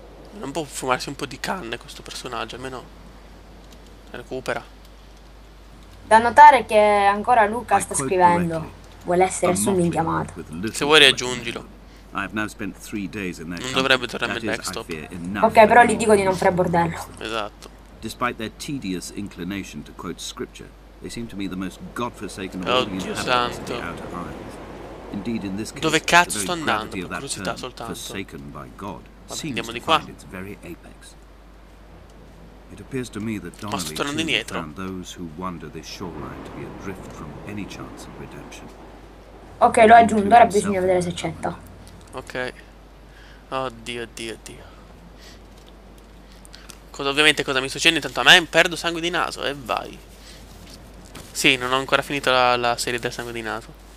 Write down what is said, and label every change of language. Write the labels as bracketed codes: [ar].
[it] Non può fumarsi un po' di canne questo personaggio, almeno recupera. Da notare che ancora Luca sta scrivendo. Vuole essere assunto in chiamata. Se vuoi raggiungilo. [en] I have now spent 3 days in their company. [it] Non dovrebbe tornare al desktop. Ok, però gli dico di non fare bordello. Esatto. [en] Despite their tedious inclination to quote scripture, they seem to be the most godforsaken of all the inhabitants of the outer islands. Indeed, in this case, [it] dove cazzo sto andando? Per curiosità soltanto. [en] Forsaken by God. [it] Andiamo di qua. [en] It's very apex. It appears to me that Donnelly found those who wander this shoreline to be adrift from any chance of redemption. [it] Ok, l'ho aggiunto, ora bisogna vedere se accetta. Ok. Oddio, oddio, oddio. Cosa, ovviamente cosa mi succede? Intanto a me perdo sangue di naso e vai. Sì, non ho ancora finito la serie del sangue di naso.